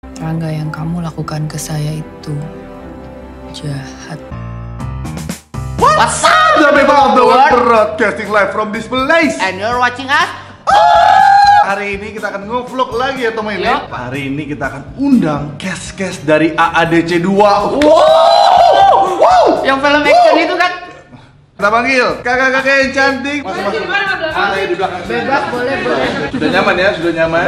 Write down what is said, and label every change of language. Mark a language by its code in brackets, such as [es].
[id] Rangga, yang kamu lakukan ke saya itu jahat. [en] What's up? The people of the world broadcasting live from this place. And you're watching us. [id] Hari ini kita akan nge-vlog lagi ya, teman-teman. Yep. Hari ini kita akan undang cast-cast dari AADC2. Wow! Yang film action itu kan. Kita panggil kakak-kakak yang cantik. Masuk. Ah, di belakang. Bebas, bebas, boleh, boleh. Sudah nyaman ya, sudah nyaman.